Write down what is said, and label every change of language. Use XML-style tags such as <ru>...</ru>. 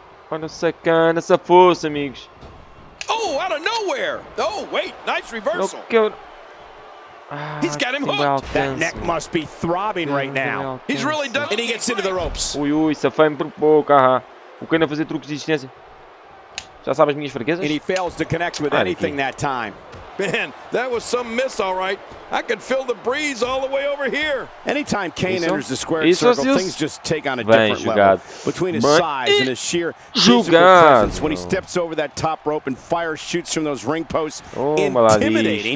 <pt>Olha o sacana, essa força, amigos.</pt> <en>Oh, out of nowhere! Oh, wait, nice reversal. He's got him hooked. That neck must be throbbing right now. He's really done, and he gets into the ropes.</en> <pt>Ui, ui, safame por pouco, O Kane a fazer truques de distância. Já sabe as minhas fraquezas?</pt> <en>And he fails to connect with anything that time. Man, that was some miss, all right. I could feel the breeze all the way over here. Anytime Kane enters the square circle, things just take on a different</en> <pt>jogado.</pt> <en>Level. Between his size and his sheer physical presence, when he steps over that top rope and fire shoots from those ring posts, intimidating.</en>